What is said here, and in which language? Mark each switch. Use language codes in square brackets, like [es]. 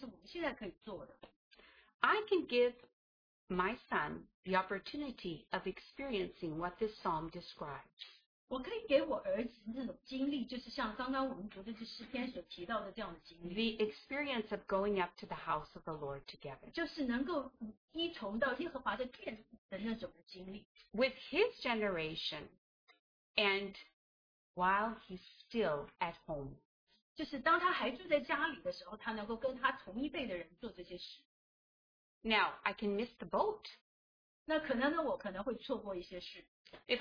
[zh] 那所以基于这个不是年轻人的人跟我分享的，就是有一些事情是我们现在可以做的。 [en] I can give my son the opportunity of experiencing what this psalm describes. [zh] 我可以给我儿子这种经历，就是像刚刚我们读的这诗篇所提到的这样的经历。 [en] The experience of going up to the house of the Lord together. [zh] 就是能够一同到耶和华的殿的那种经历。 [en] With his generation, and while he's still at home. [zh] 就是当他还住在家里的时候，他能够跟他同一辈的人做这些事。 [en] Now, I can miss the boat. [zh] 那可能呢，我可能会错过一些事。 [en] If